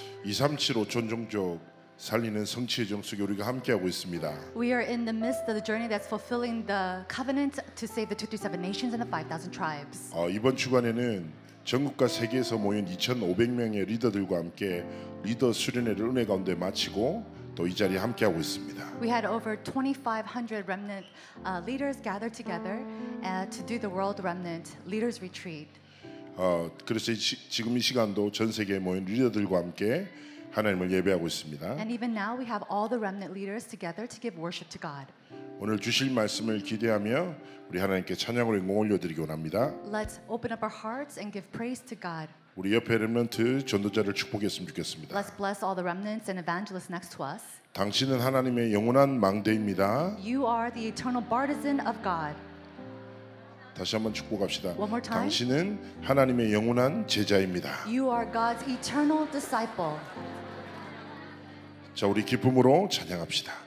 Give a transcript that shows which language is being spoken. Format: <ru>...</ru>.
<ko>237 5천 종족 살리는 성취의 정수기 우리가 함께하고 있습니다.</ko> <en>We are in the midst of the journey that's fulfilling the covenant to save the 237 nations and the 5,000 tribes.</en> <ko>이번 주간에는 전국과 세계에서 모인 2,500명의 리더들과 함께 리더 수련회를 은혜 가운데 마치고 또 이 자리에 함께하고 있습니다.</ko> <en>We had over 2,500 remnant leaders gathered together to do the World Remnant Leaders Retreat.</en> <ko>그래서 지금 이 시간도 전 세계에 모인 리더들과 함께 하나님을 예배하고 있습니다.</ko> <en>And even now we have all the remnant leaders together to give worship to God.</en> <ko>오늘 주실 말씀을 기대하며 우리 하나님께 찬양으로 영광 올려드리기 원합니다.</ko> <en>Let's open up our hearts and give praise to God.</en> <ko>우리 옆에 렘넌트 전도자를 축복했으면 좋겠습니다.</ko> <en>Let's bless all the remnants and evangelists next to us.</en> <ko>당신은 하나님의 영원한 망대입니다.</ko> <en>You are the eternal bartizan of God.</en> <ko>다시 한번 축복합시다.</ko> <en>One more time.</en> <ko>당신은 하나님의 영원한 제자입니다.</ko> <en>You are God's eternal disciple.</en> <ko>자, 우리 기쁨으로 찬양합시다.</ko>